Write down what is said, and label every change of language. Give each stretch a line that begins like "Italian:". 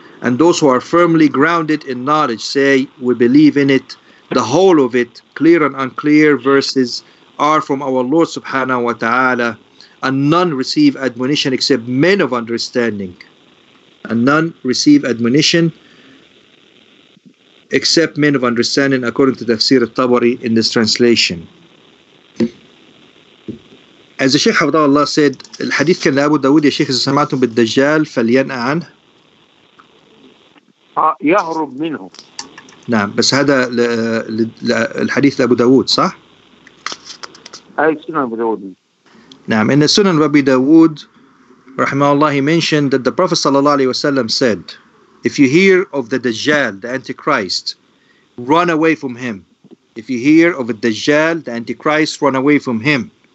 English: And those who are firmly grounded in knowledge say, we believe in it, the whole of it, clear and unclear verses, are from our Lord subhanahu wa ta'ala. And none receive admonition except men of understanding. And none receive admonition except men of understanding, according to Tafsir al-Tabari in this translation. As the Sheikh Abdullah said,
Arabic: الحديث كان لأبو داود يا شيخ إذا سمعتم بالدجال فلينأ عنه. يهرب منه. نعم بس هذا الحديث لأبو داود صح؟ أي سنة أبو داود. نعم إن السنة أبو داود رحمه الله
English: he mentioned that the Prophet
Arabic: صلى الله عليه وسلم
English: said, if you hear of the Dajjal, the Antichrist, run away from him. If you hear of a Dajjal, the Antichrist, run away from him.